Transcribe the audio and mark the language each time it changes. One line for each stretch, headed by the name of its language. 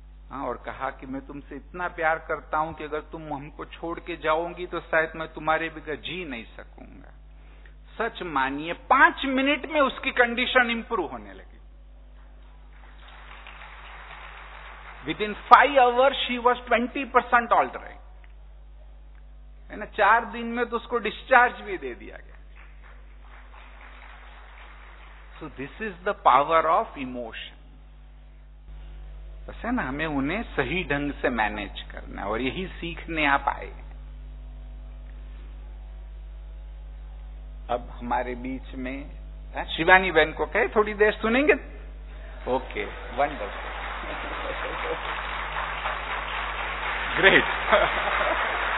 Hindi: हाँ, और कहा कि मैं तुमसे इतना प्यार करता हूं कि अगर तुम हमको छोड़ के जाओगी तो शायद मैं तुम्हारे बिना जी नहीं सकूंगा। सच मानिए, 5 मिनट में उसकी कंडीशन इंप्रूव होने लगी।
English: Within 5 hours she was 20% altering.
Hindi: है ना, 4 दिन में तो उसको डिस्चार्ज भी दे दिया गया।
English: So this is the power of emotion.
Hindi: बस है ना, हमें उन्हें सही ढंग से मैनेज करना है और यही सीखने आप आए। अब हमारे बीच में शिवानी बहन को कहे थोड़ी देर सुनेंगे।
English: Okay, wonderful, great.